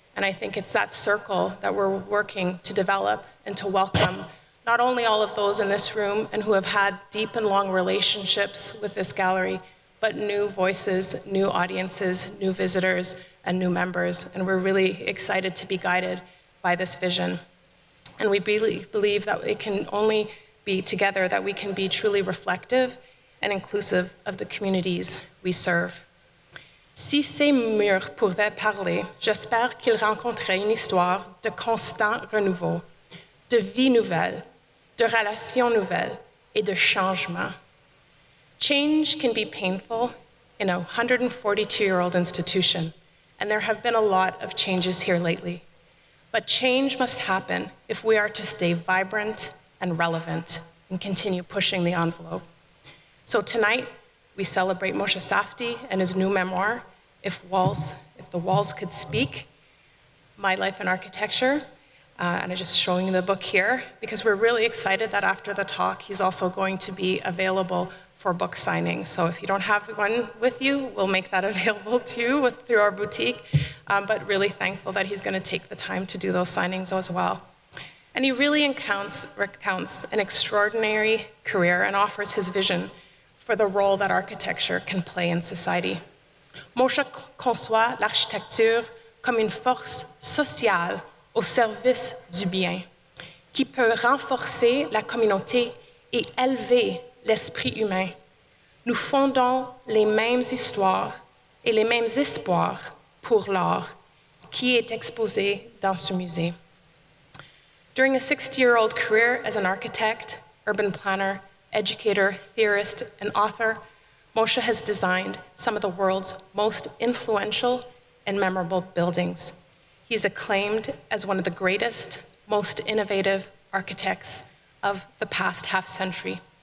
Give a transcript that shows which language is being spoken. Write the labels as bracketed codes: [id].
[en] And I think it's that circle that we're working to develop and to welcome not only all of those in this room and who have had deep and long relationships with this gallery, but new voices, new audiences, new visitors, and new members. And we're really excited to be guided by this vision. And we believe that it can only be together that we can be truly reflective and inclusive of the communities we serve. [fr] Si ces murs pouvaient parler, j'espère qu'ils rencontreraient une histoire de constant renouveau, de vie nouvelle, de relations nouvelles, et de changement. [en] Change can be painful in a 142-year-old institution, and there have been a lot of changes here lately. But change must happen if we are to stay vibrant and relevant and continue pushing the envelope. So tonight, we celebrate Moshe Safdie and his new memoir, If the Walls Could Speak, My Life in Architecture, and I'm just showing you the book here, because we're really excited that after the talk, he's also going to be available for book signing. So if you don't have one with you, we'll make that available to you through our boutique, but really thankful that he's gonna take the time to do those signings as well. And he really recounts an extraordinary career and offers his vision for the role that architecture can play in society. [fr] Moshe conçoit l'architecture comme une force sociale au service du bien, qui peut renforcer la communauté et élever l'esprit humain. Nous fondons les mêmes histoires et les mêmes espoirs pour l'art qui est exposé dans ce musée. [en] During a 60-year-old career as an architect, urban planner, educator, theorist, and author, Moshe has designed some of the world's most influential and memorable buildings. He is acclaimed as one of the greatest, most innovative architects of the past half century.